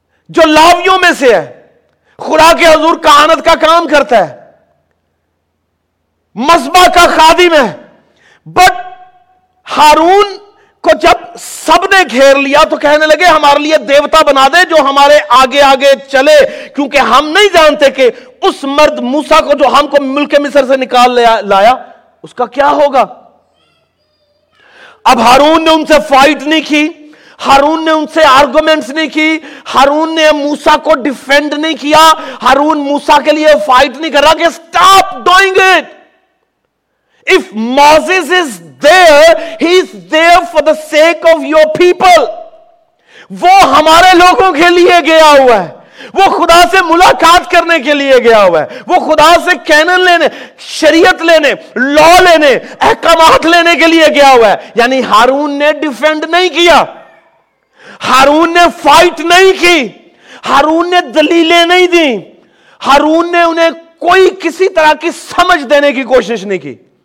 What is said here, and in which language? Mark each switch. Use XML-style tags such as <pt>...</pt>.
<ur>جو لاویوں میں سے ہے, خدا کے حضور کہانت کا کام کرتا ہے, مذبح کا خادم ہے, بٹ ہارون کو جب سب نے گھیر لیا تو کہنے لگے ہمارے لیے دیوتا بنا دے جو ہمارے آگے آگے چلے, کیونکہ ہم نہیں جانتے کہ اس مرد موسیٰ کو جو ہم کو ملک مصر سے نکال لایا اس کا کیا ہوگا. اب ہارون نے ان سے فائٹ نہیں کی, ہارون نے ان سے آرگومنٹس نہیں کی, ہارون نے موسیٰ کو ڈیفینڈ نہیں کیا, ہارون موسیٰ کے لیے فائٹ نہیں کر رہا کہ</ur> <en>Stop doing it. If Moses is there, he is there for the sake of your people.</en> <ur>وہ ہمارے لوگوں کے لیے گیا ہوا ہے, وہ خدا سے ملاقات کرنے کے لیے گیا ہوا ہے, وہ خدا سے کینن لینے, شریعت لینے, لا لینے, احکامات لینے کے لیے گیا ہوا ہے. یعنی ہارون نے ڈیفینڈ نہیں کیا, ہارون نے فائٹ نہیں کی, ہارون نے دلیلیں نہیں دی, ہارون نے انہیں کوئی کسی طرح کی سمجھ دینے کی کوشش نہیں کی.</ur>